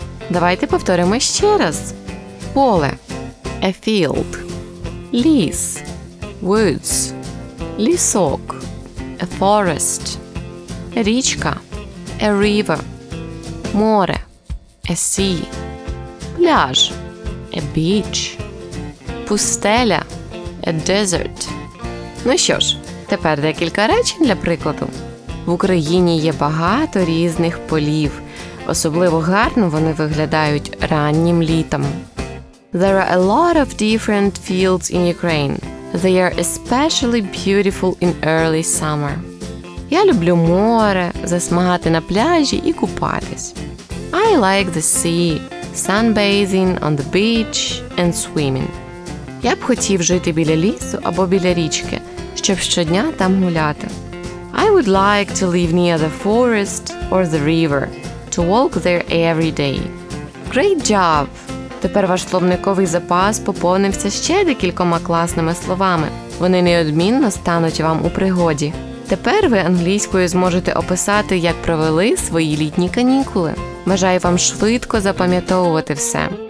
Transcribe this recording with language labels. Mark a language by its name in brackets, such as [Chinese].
[Ukrainian] Давайте повторимо ще раз. [English] Поле – a field. Ліс – woods. Лісок – a forest. Річка – a river. Море – a sea. Пляж – a beach. Пустеля – a desert. [Ukrainian] Ну що ж, тепер декілька речень для прикладу. В Україні є багато різних полів. Особливо гарно вони виглядають раннім літом. [English] There are a lot of different fields in Ukraine. They are especially beautiful in early summer. [Ukrainian] Я люблю море, засмагати на пляжі і купатись. [English] I like the sea, sunbathing on the beach and swimming. [Ukrainian] Я б хотів жити біля лісу або біля річки, щоб щодня там гуляти. [English] I would like to live near the forest or the river to walk there every day. Great job! [Ukrainian] Тепер ваш словниковий запас поповнився ще декількома класними словами. Вони неодмінно стануть вам у пригоді. Тепер ви англійською зможете описати, як провели свої літні канікули. Бажаю вам швидко запам'ятовувати все.